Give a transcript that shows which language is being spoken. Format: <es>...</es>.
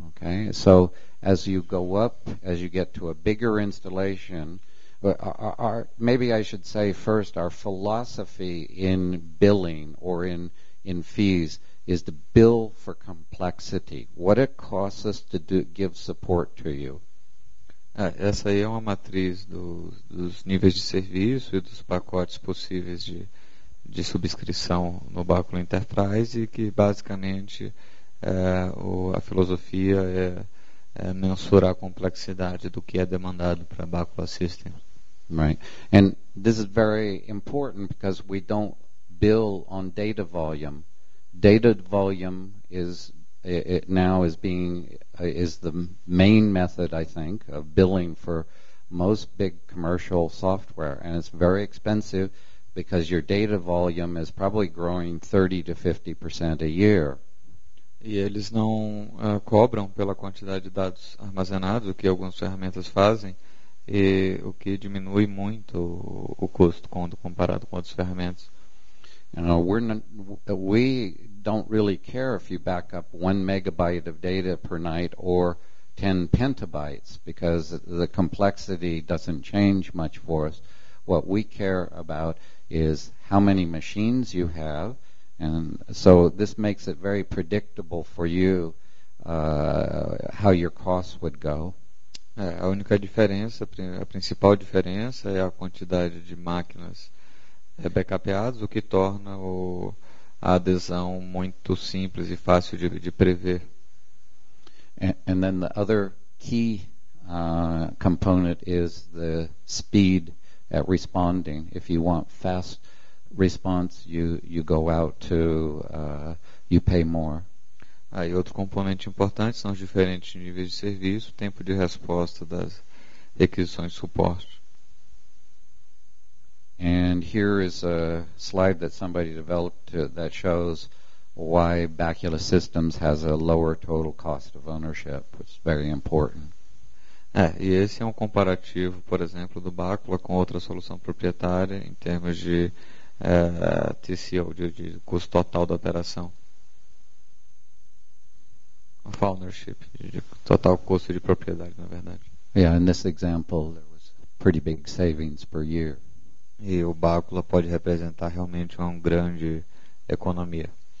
<en>Okay, so as you go up, as you get to a bigger installation, maybe I should say first, our philosophy in billing or in fees is to bill for complexity. What it costs us to do, give support to you.</en> <pt>Essa aí é uma matriz dos níveis de serviço e dos pacotes possíveis de subscrição no Bacula Enterprise, que basicamente a filosofia é mensurar a complexidade do que é demandado para Bacula System.</pt> <en>Right. And this is very important because we don't bill on data volume. Data volume is the main method, I think, of billing for most big commercial software. And it's very expensive because your data volume is probably growing 30% to 50% a year.</en> <pt>E eles não cobram pela quantidade de dados armazenados, o que algumas ferramentas fazem, e o que diminui muito o custo quando comparado com outras ferramentas.</pt> <en>You know, we don't really care if you back up 1 megabyte of data per night or 10 petabytes, because the complexity doesn't change much for us. What we care about is how many machines you have. And so this makes it very predictable for you how your costs would go.</en> <pt>A única diferença, a principal diferença é a quantidade de máquinas backupadas, o que torna a adesão muito simples e fácil de prever.</pt> <en>And then the other key component is the speed at responding. If you want fast response, you go out to you pay more.</en> <pt>Aí outro componente importante são os diferentes níveis de serviço, tempo de resposta das requisições de suporte.</pt> <en>And here is a slide that somebody developed that shows why Bacula Systems has a lower total cost of ownership, which is very important.</en> <pt>E esse é um comparativo, por exemplo, do Bacula com outra solução proprietária em termos de TCO, de custo total da operação.</pt> <en>Of ownership,</en> <pt>de total custo de propriedade, na verdade.</pt> <en>Yeah, in this example, there was pretty big savings per year.</en> <pt>E o Bacula pode representar realmente uma grande economia.</pt>